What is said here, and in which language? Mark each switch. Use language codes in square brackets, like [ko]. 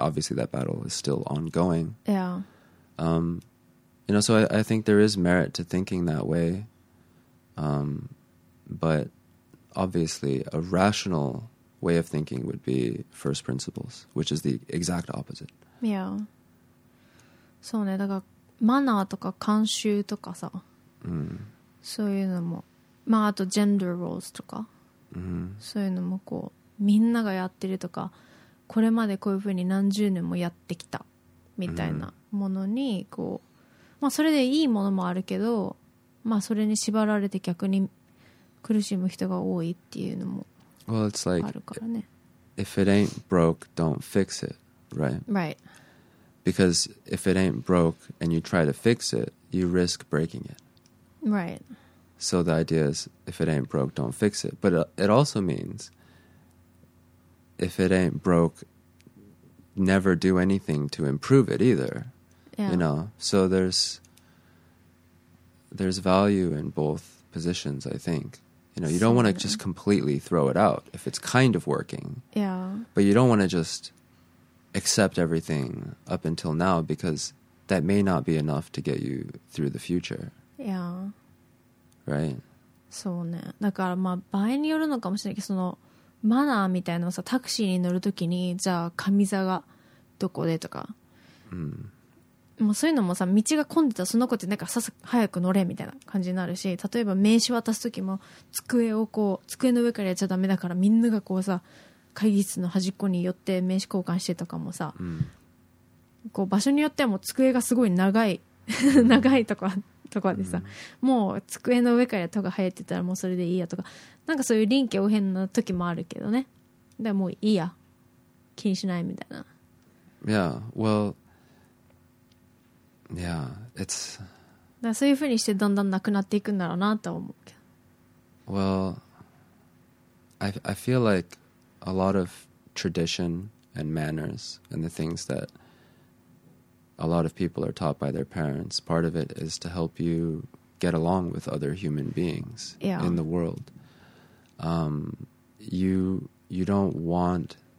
[en] Obviously, that battle is still ongoing. You know, so I think there is merit to thinking that way. But obviously, a rational... way of thinking would be first principles, which is the exact opposite. Yeah. [ja] そうね。だからマナーとか慣習とかさ、そういうのも、まああとジェンダーロールとか、そういうのもこうみんながやってるとか、これまでこういうふうに何十年もやってきたみたいなものにこう、まあそれでいいものもあるけど、まあそれに縛られて逆に苦しむ人が多いっていうのも。 [en] Well, it's like, if it ain't broke, don't fix it, right? Right. Because if it ain't broke and you try to fix it, you risk breaking it. Right. So the idea is, if it ain't broke, don't fix it. But it also means, if it ain't broke, never do anything to improve it either. Yeah. You know, so there's value in both positions, I think. You know, you don't want to just completely throw it out if it's kind of working. Yeah. But you don't want to just accept everything up until now, because that may not be enough to get you through the future. Yeah. Right? [ja] そうね。だからまあ場合によるのかもしれないけど、そのマナーみたいなのさ、タクシーに乗るときに、じゃあ上座がどこでとか。うん。もうそういうのもさ、道が混んでたらその子ってなんかさっさ早く乗れみたいな感じになるし、例えば名刺渡すときも机をこう机の上からやっちゃダメだから、みんながこうさ会議室の端っこに寄って名刺交換してとかもさ、うん、こう場所によってはもう机がすごい長い長いとかでさ、うん、もう机の上からやったほうが早いって言ったらもうそれでいいやとか、なんかそういう臨機応変なときもあるけどね。でもういいや気にしないみたいな。 [en] Yeah, wellYeah, it's... [ja] だそういうふうにしてどんどんなくなっていくんだろうなと思うけど。 [en] Well, I feel like a lot of tradition and manners and the things that a lot of people are taught by their parents, part of it is to help you get along with other human beings yeah. in the world. You don't want...